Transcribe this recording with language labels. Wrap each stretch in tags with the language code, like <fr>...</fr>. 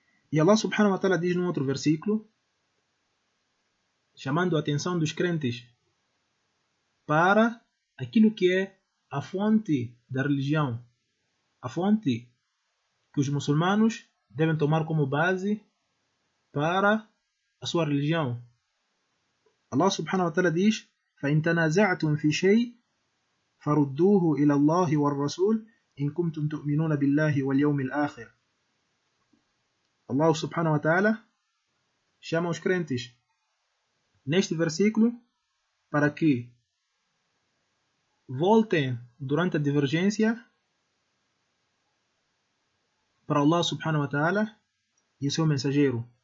<pt>E Allah subhanahu wa ta'ala diz num outro versículo, chamando a atenção dos crentes para aquilo que é a fonte da religião, a fonte que os muçulmanos devem tomar como base para a sua religião.</pt> <ar>Allah subhanahu wa ta'ala diz: فَإِن تَنَازَعْتُمْ فِي شَيْءٍ فَرُدُّوهُ إِلَى اللَّهِ وَالرَّسُولِ إِن كُنتُمْ تُؤْمِنُونَ بِاللَّهِ وَالْيَوْمِ الْآخِرِ.</ar> <pt>Allah subhanahu wa ta'ala chama os crentes neste versículo para que voltem durante a divergência para Allah subhanahu wa ta'ala e o seu mensageiro.</pt>